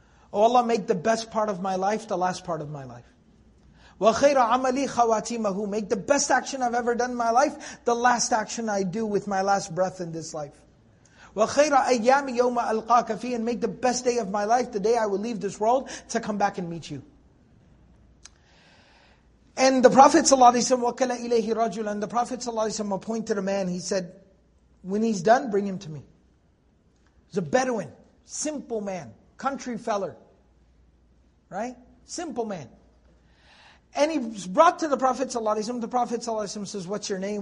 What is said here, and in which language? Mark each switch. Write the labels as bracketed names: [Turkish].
[English] Oh Allah, make the best part of my life the last part of my life. [Arabic] وَخَيْرَ عَمَلِي خَوَاتِيمَهُ. [English] Make the best action I've ever done in my life, the last action I do with my last breath in this life. [Arabic] وَخَيْرَ أَيَّامِ يَوْمَ أَلْقَاكَ فِي. [English] And make the best day of my life, the day I will leave this world, to come back and meet you. And the Prophet ﷺ, [Arabic] وَكَلَ إِلَيْهِ رَجُلًا. [English] And the Prophet ﷺ appointed a man, he said, when he's done, bring him to me. He's a Bedouin, simple man, country feller. Right? Simple man. And he's brought to the Prophet ﷺ. The Prophet ﷺ says, what's your name?